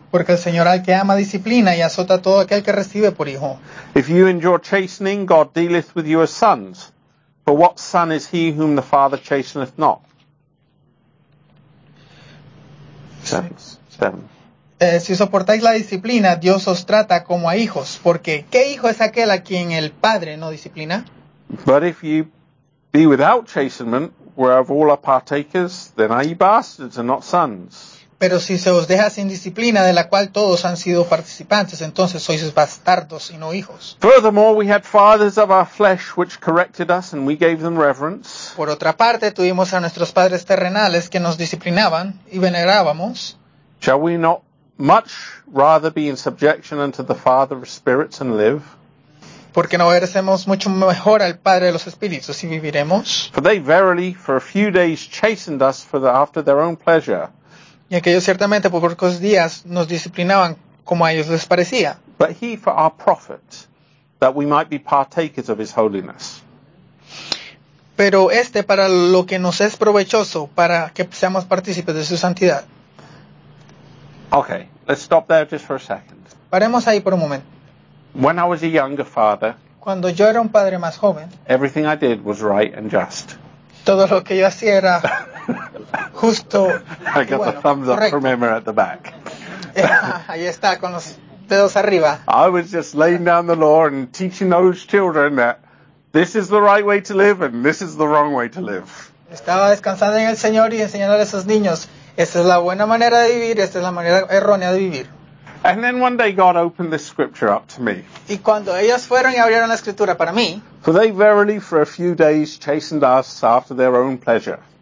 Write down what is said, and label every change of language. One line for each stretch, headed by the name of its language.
Spanish: Porque el Señor al que ama disciplina y azota todo aquel que recibe por hijo.
English: If you endure chastening, God dealeth with you as sons. For what son is he whom the Father chasteneth not? Seven.
Spanish: Si soportáis la disciplina, Dios os trata como a hijos. Porque ¿qué hijo es aquel a quien el Padre no disciplina?
English: But if you be without chastenment, whereof all are partakers, then are ye bastards and not sons.
Spanish: Pero si se os deja sin disciplina, de la cual todos han sido participantes, entonces sois bastardos y no hijos.
English: Furthermore, we had fathers of our flesh which corrected us, and we gave them reverence.
Spanish: Por otra parte, tuvimos a nuestros padres terrenales que nos disciplinaban y venerábamos.
English: Shall we not much rather be in subjection unto the Father of spirits and live?
Spanish: Porque no obedecemos mucho mejor al Padre de los Espíritus si viviremos.
English: For they verily for a few days chastened us for the, after their own pleasure.
Spanish: Y aquellos ciertamente por pocos días nos disciplinaban como a ellos les parecía.
English: But he for our profit, that we might be partakers of his holiness.
Spanish: Pero este para lo que nos es provechoso, para que seamos partícipes de su santidad.
English: Okay, let's stop there just for a second.
Spanish: Paremos ahí por un momento.
English: When I was a younger father,
Spanish: cuando yo era un padre más joven,
English: everything I did was right and just.
Spanish: Todo lo que yo hacía era justo.
English: I got
Spanish: bueno,
English: the thumbs
Spanish: correcto.
English: Up from Emma at the back.
Spanish: Ahí está, con los dedos arriba.
English: I was just laying down the law and teaching those children that this is the right way to live and this is the wrong way to live.
Spanish: Estaba descansando en el Señor y enseñando a esos niños, esta es la buena manera de vivir, esta es la manera errónea de vivir.
English: And then one day God opened this scripture up to me.
Spanish: Y cuando ellos fueron y abrieron la escritura para mí.
English: For they verily for a few days chastened us after their own pleasure.